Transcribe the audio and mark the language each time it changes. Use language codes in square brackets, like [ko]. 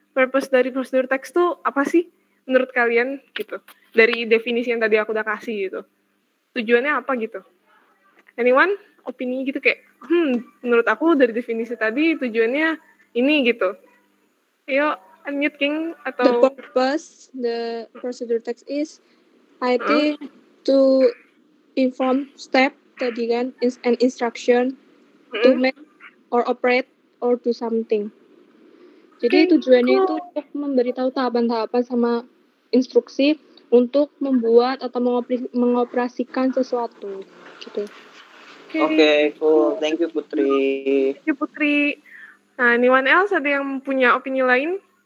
[id] Purpose dari procedural text tuh apa sih menurut kalian gitu. Dari definisi yang tadi aku udah kasih gitu. Tujuannya apa gitu. Anyone? Opini gitu kayak, menurut aku dari definisi tadi tujuannya ini gitu. Ayo, unmute King atau... [en] The purpose, the procedural text is, I think to inform step [id] tadi kan, [en] is an instruction to make or operate or do something. [id] Jadi tujuannya itu untuk memberitahu tahapan-tahapan sama instruksi untuk membuat atau mengoperasikan sesuatu, gitu. [en] Oke, cool. Thank you, Putri. Thank you, Putri. [id] Nah, [en] anyone else [id] ada yang punya opini lain?